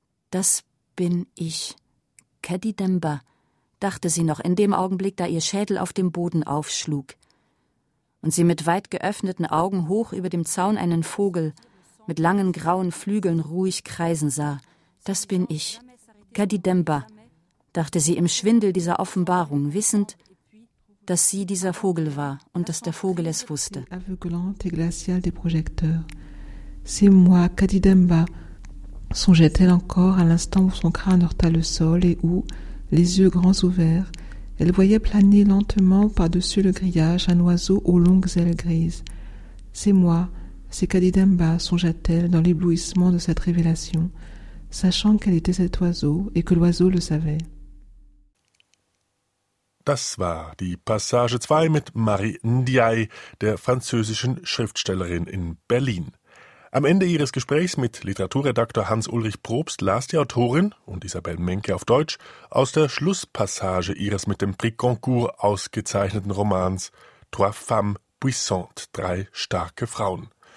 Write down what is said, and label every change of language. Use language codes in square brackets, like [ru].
[de] Das bin ich, Caddy Demba, dachte sie noch in dem Augenblick, da ihr Schädel auf dem Boden aufschlug und sie mit weit geöffneten Augen hoch über dem Zaun einen Vogel mit langen grauen Flügeln ruhig kreisen sah. Das bin ich, Caddy Demba, dachte sie im Schwindel dieser Offenbarung, wissend, dass sie dieser Vogel war und dass der Vogel es wusste. [fr] Aveuglante et glaciale des projecteurs. C'est moi, Caddy Demba, songeait-elle encore à l'instant où son crâne heurta le sol et où, les yeux grands ouverts, elle voyait planer lentement par-dessus le grillage un oiseau aux longues ailes grises. C'est moi, c'est Caddy Demba, songea-t-elle dans l'éblouissement de cette révélation, sachant quel était cet oiseau et que l'oiseau le savait. [de] Das war die Passage 2 mit Marie Ndiaye, der französischen Schriftstellerin in Berlin. Am Ende ihres Gesprächs mit Literaturredaktor Hans-Ulrich Probst las die Autorin und Isabel Menke auf Deutsch aus der Schlusspassage ihres mit dem Prix Goncourt ausgezeichneten Romans Trois Femmes Puissantes, drei starke Frauen.